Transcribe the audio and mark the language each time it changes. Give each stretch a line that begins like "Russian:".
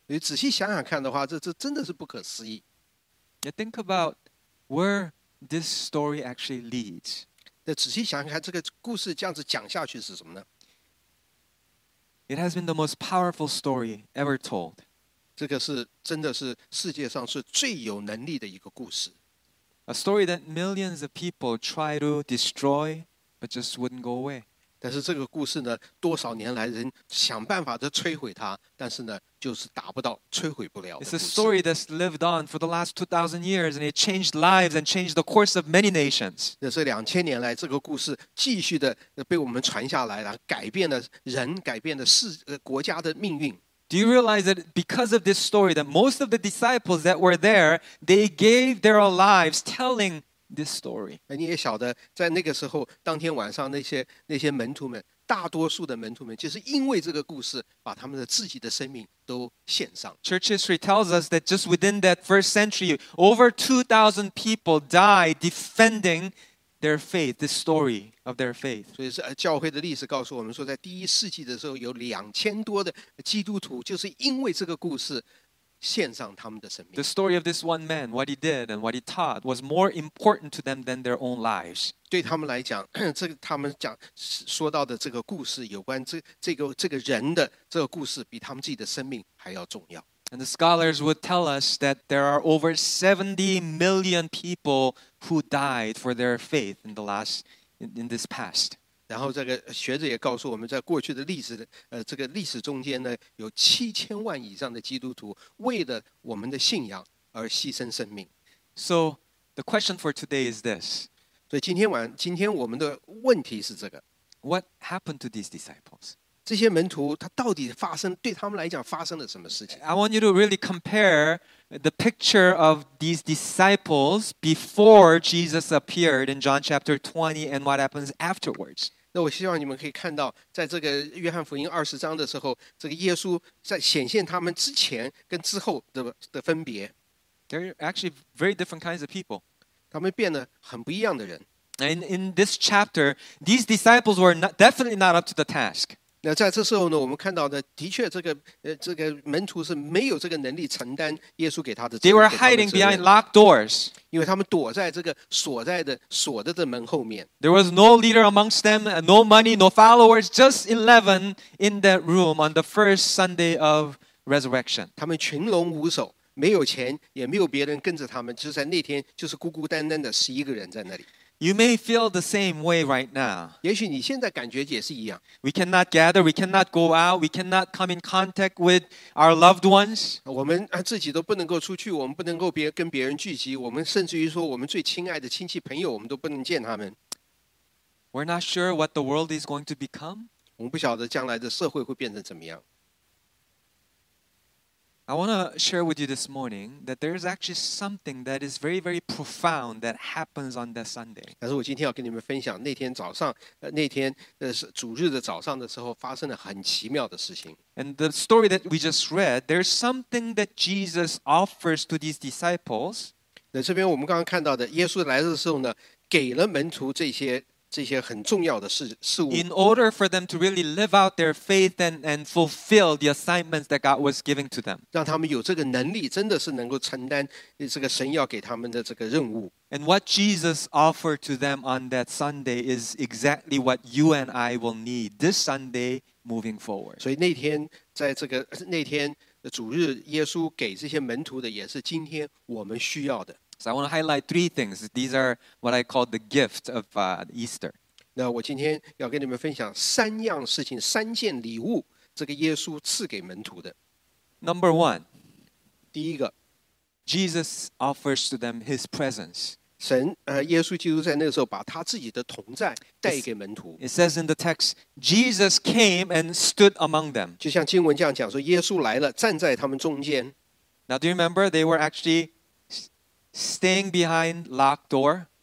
Chinese: 你仔细想想看的话，这真的是不可思议。
English: Yeah, think about where this story actually leads.
Chinese: 那仔细想想看，这个故事这样子讲下去是什么呢？
English: It has been the most powerful story ever told.
Chinese: 这个是真的是世界上是最有能力的一个故事。
English: A story that millions of people try to destroy, but just wouldn't go away.
Chinese: 但是这个故事呢，多少年来人想办法的摧毁它，但是呢，就是达不到，摧毁不了。
English: It's a story that's lived on for the last 2,000 years, and it changed lives and changed the course of many nations.
Chinese: 那是2000年来这个故事继续的被我们传下来了，改变了人，改变了国家的命运。
English: Do you realize that because of this story, that most of the disciples that were there, they gave their lives telling this story?
Chinese: 你也晓得，在那个时候，当天晚上那些门徒们，大多数的门徒们，就是因为这个故事，把他们的自己的生命都献上。
English: Church history tells us that just within that first century, over 2,000 people died defending their faith, the story of their faith.
Chinese: 所以教会的历史告诉我们说，在第一世纪的时候，有2000多的基督徒就是因为这个故事献上他们的生命。
English: The story of this one man, what he did and what he taught, was more important to them than their own lives.
Chinese: 对他们来讲，他们说到的这个故事，有关这个人的这个故事，比他们自己的生命还要重要。
English: And the scholars would tell us that there are over 70 million people who died for their faith in this past.
Chinese: 然后这个学者也告诉我们，在过去的历史的这个历史中间呢，有7000万以上的基督徒为了我们的信仰而牺牲生命。
English: So the question for today is this.
Chinese: 所以今天我们的问题是这个。
English: What happened to these disciples?
Chinese: 这些门徒他到底发生对他们来讲发生了什么事情
English: ？I want you to really compare the picture of these disciples before Jesus appeared in John chapter 20 and what happens afterwards.
Chinese: 那我希望你们可以看到，在这个约翰福音二十章的时候，这个耶稣在显现他们之前跟之后的分别。
English: They're actually very different kinds of people.
Chinese: 他们变得很不一样的人。
English: And in this chapter, these disciples were not, definitely not up to the task.
Chinese: 那在这时候呢，我们看到的，的确这个门徒是没有这个能力承担耶稣给他的责任。
English: They were hiding behind locked doors.
Chinese: 因为他们躲在这个锁着的门后面。
English: There was no leader amongst them, no money, no followers, just 11 in that room on the first Sunday of resurrection.
Chinese: 他们群龙无首。没有钱，也没有别人跟着他们，就在那天，就是孤孤单单的11个人在那里。
English: You may feel the same way right now.
Chinese: 也许你现在感觉也是一样。
English: We cannot gather, we cannot go out, we cannot come in contact with our loved ones.
Chinese: 我们自己都不能够出去，我们不能够跟别人聚集，我们甚至于说我们最亲爱的亲戚朋友，我们都不能见他们。
English: We're not sure what the world is going to become.
Chinese: 我们不晓得将来的社会会变成怎么样。
English: I want to share with you this morning that there is actually something that is very, very profound that happens on that Sunday.
Chinese: 但是我今天要跟你们分享那天早上，那天主日的早上的时候发生了很奇妙的事情。
English: And the story that we just read, there's something that Jesus offers to these disciples.
Chinese: 那这边我们刚刚看到的，耶稣来的时候呢，给了门徒这些很重要的事物
English: in order for them to really live out their faith and fulfill the assignments that God was giving to them.
Chinese: 让他们有这个能力，真的是能够承担这个神要给他们的这个任务。
English: And what Jesus offered to them on that Sunday is exactly what you and I will need this Sunday moving forward.
Chinese: 所以那天在这个那天主日，耶稣给这些门徒的也是今天我们需要的。
English: So I want to highlight three things. These are what I call the gift of Easter.
Chinese: 那我今天要跟你们分享三样事情，三件礼物，这个耶稣赐给门徒的。
English: Number one,
Chinese: 第一个
English: ，Jesus offers to them His presence.
Chinese: 神，耶稣基督在那个时候把他自己的同在带给门徒。
English: It says in the text, Jesus came and stood among them.
Chinese: 就像经文这样讲说，耶稣来了，站在他们中间。
English: Now, do you remember they were actually staying behind locked door.